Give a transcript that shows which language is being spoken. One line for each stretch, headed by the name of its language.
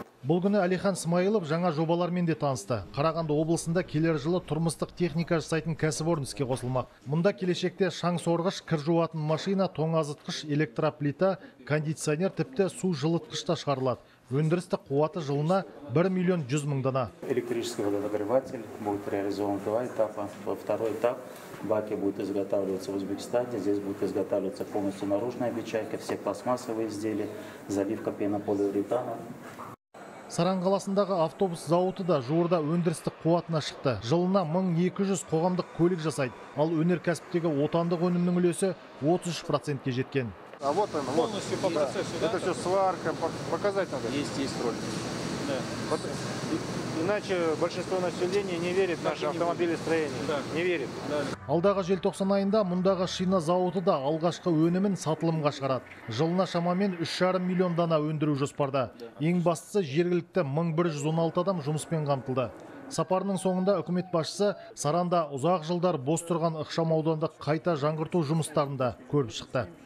Kazakh: Бұл күні Алихан Смайылов жаңа жобалармен де танысты. Қарағанды облысында келер жылы тұрмыстық техника жасайтын кәсіпорын іске қосылмақ. Мұнда келешекте шаң сорғыш, кір жуатын машина, тоңазытқыш, электроплита, кондиционер, тіпті су жылытқыш та шығарылады. Өндірістік қуаты жылына 1 миллион 100 мың дана.
Russian: Электрический водогреватель будет реализован 2 этапа. Второй этап баки будет изготавливаться в Узбекистане. Здесь будет изготавливаться полностью наружная печайка, все пластмассовые изделия, заливка пенополиуретана.
Kazakh: Саран қаласындағы автобус зауыты да жуырда өндірістік қуатына шықты. Жылына 1200 қоғамдық көлік жасайды. Ал өнеркәсіптегі отандық өнімнің үлесі 33%-ке жеткен.
Russian: А вот он, вот. Полностью по процессу, да? Это все сварка, показать надо? Есть, есть роль. Да. Вот, иначе большинство населения не верит в наше автомобилестроение. Да. Не верит. Да.
Kazakh: Алдағы желтоқсан айында мұндағы шина зауыты да алғашқы өнімін сатылымға шығарады. Жылына шамамен 3,5 миллион дана өндіру жоспарда. Ең бастысы жергілікті 1116 адам жұмыспен қамтылды. Сапарының соңында үкімет басшысы Саранда ұзақ жылдар бос тұрған ықшам ауданды қайта жаңғырту жұмыстарында көріп шықты.